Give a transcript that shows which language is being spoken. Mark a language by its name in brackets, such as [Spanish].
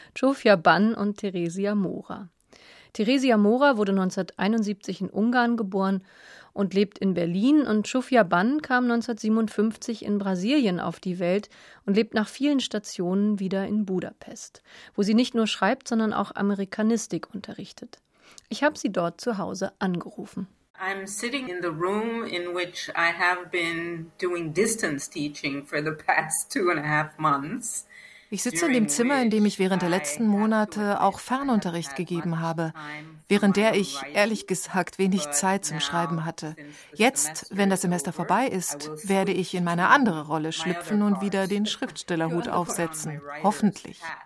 [German] Chufia Bann und Theresia Mora. Theresia Mora wurde 1971 in Ungarn geboren und lebt in Berlin und Chufia Bann kam 1957 in Brasilien auf die Welt und lebt nach vielen Stationen wieder in Budapest, wo sie nicht nur schreibt, sondern auch Amerikanistik unterrichtet. Ich habe sie dort zu Hause angerufen. [English] I'm sitting in the room in which I have been doing distance teaching for the past 2.5 months. [German] Ich sitze in dem Zimmer, in dem ich während der letzten Monate auch Fernunterricht gegeben habe, während der ich, ehrlich gesagt, wenig Zeit zum Schreiben hatte. Jetzt, wenn das Semester vorbei ist, werde ich in meine andere Rolle schlüpfen und wieder den Schriftstellerhut aufsetzen, hoffentlich.